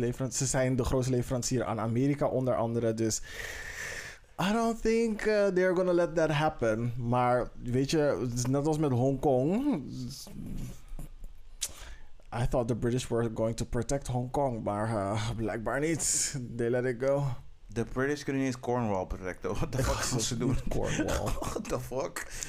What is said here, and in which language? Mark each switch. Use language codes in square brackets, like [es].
[nl] Ze zijn de grootste leverancier aan Amerika, onder andere. Dus. [en] I don't think they're gonna let that happen. [nl] Maar weet je, net als met Hongkong. [en] I thought the British were going to protect Hongkong, [nl] maar blijkbaar niet. [en] They let it go. [nl] De British kunnen niet eens Cornwall protecten. [en] What the fuck [nl] gaan ze doen? [en] Cornwall. What the fuck?